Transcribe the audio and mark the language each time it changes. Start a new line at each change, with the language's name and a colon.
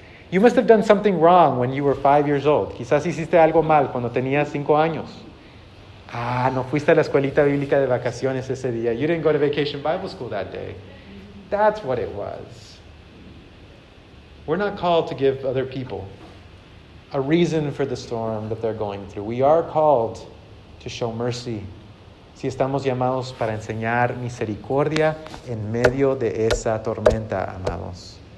English: You must have done something wrong when you were 5 years old.
Spanish: Quizás hiciste algo mal cuando tenías 5 años. Ah, no fuiste a la escuelita bíblica de vacaciones ese día.
English: You didn't go to vacation Bible school that day. That's what it was. We're not called to give other people a reason for the storm that they're going through. We are called to show mercy.
Spanish: Si estamos llamados para enseñar misericordia en medio de esa tormenta, amados.